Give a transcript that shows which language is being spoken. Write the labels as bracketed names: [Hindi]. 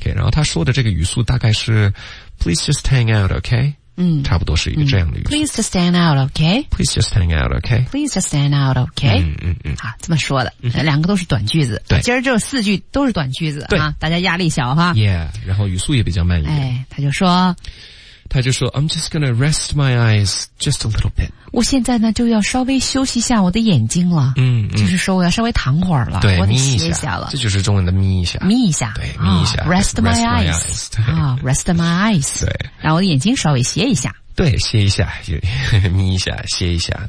[Chinese] Okay, 然后他说的这个语速大概是 [English] Please just hang out, okay? 嗯， [Chinese] 差不多是一个这样的语速。 [English] Please just hang out, okay? Please just hang out, okay? Please just hang out, okay? 嗯， [Chinese] 好，这么说的，两个都是短句子。对，今儿这四句都是短句子啊，大家压力小哈。 [English] Yeah, [Chinese] 然后语速也比较慢一点。哎，他就说 [English] I'm just gonna rest my eyes just a little bit. [Chinese] 我现在呢就要稍微休息一下我的眼睛了。嗯，就是说我要稍微躺会儿了。对，我得歇一下了。这就是中文的眯一下。眯一下。对，眯一下。 [English] Rest my eyes. [Chinese] 啊 [English] ,rest my eyes. [Chinese] 对。让我的眼睛稍微歇一下。对，歇一下，眯一下，歇一下。